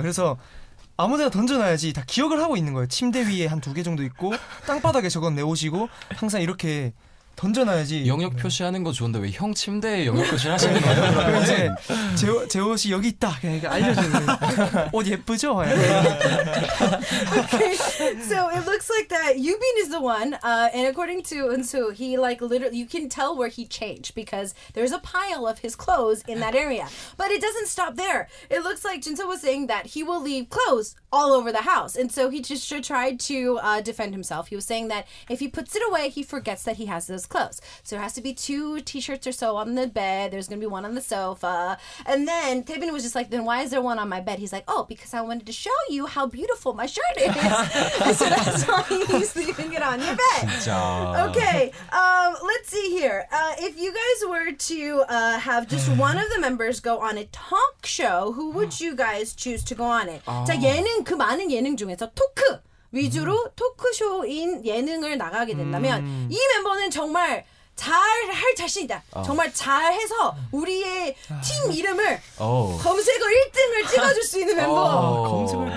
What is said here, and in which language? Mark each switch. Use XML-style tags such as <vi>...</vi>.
<ko>그래서 아무데나 던져놔야지 다 기억을 하고 있는 거예요. 침대 위에 한 두 개 정도 있고 땅바닥에 저건 내 옷이고 항상 이렇게 던져놔야지. 영역 표시하는 거 좋은데 왜 형 침대에 영역 표시를 하시는 거예요? 이제 제 옷이 여기 있다 그냥 알려주는 옷 예쁘죠?</ko> <en>Okay, so it looks like that Yubin is the one, and according to Eunsu, he like literally you can tell where he changed because there's a pile of his clothes in that area. But it doesn't stop there. It looks like Jinseo was saying that he will leave clothes all over the house, and so he just tried to defend himself. He was saying that if he puts it away, he forgets that he has those clothes. So there has to be two t-shirts or so on the bed. There's going to be one on the sofa. And then Taebin was just like, then why is there one on my bed? He's like, oh, because I wanted to show you how beautiful my shirt is. So that's why he's leaving it on your bed. Okay, let's see here. If you guys were to have just one of the members go on a talk show, who would you guys choose to go on it?</en> <ko>자, 예능, 그 많은 예능 중에서 토크! 위주로 토크쇼인 예능을 나가게 된다면 이 멤버는 정말 잘할 자신이다. 정말 잘해서 우리의 팀 이름을 검색어 1등을 찍어줄 수 있는 멤버.</ko>